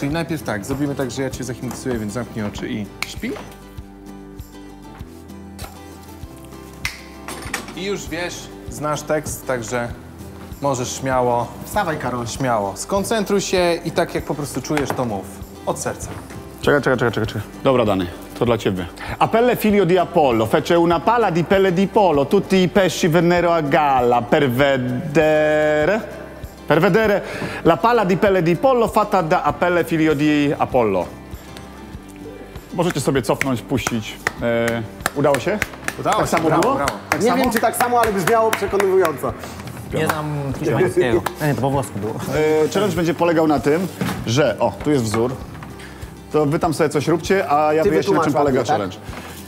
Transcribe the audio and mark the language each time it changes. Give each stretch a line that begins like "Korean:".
Polish: Czyli najpierw tak, zrobimy tak, że ja cię zahipnozuję, więc zamknij oczy i śpi. I już wiesz, znasz tekst, także możesz śmiało. Wstawaj, Karol. Śmiało. Skoncentruj się i tak jak po prostu czujesz, to mów. Od serca. Czekaj. Dobra, Dany. To dla ciebie.
Italian: Appelle figlio di Apollo, fece una palla di pelle di pollo, tutti i pesci vennero a galla per vedere... Per vedere la palla di pelle di pollo fatta da Appelle figlio di Apollo.
Polish: Możecie sobie cofnąć, puścić. Udało się? Udało tak samo się, było? Tak nie samo? Wiem, czy tak samo, ale brzmiało przekonująco. Nie znam hiszpańskiego. Nie, to po włosku było. Challenge będzie polegał na tym, że... O, tu jest wzór. To wy tam sobie coś róbcie, a ja wyjaśnię, czym polega challenge. Tak?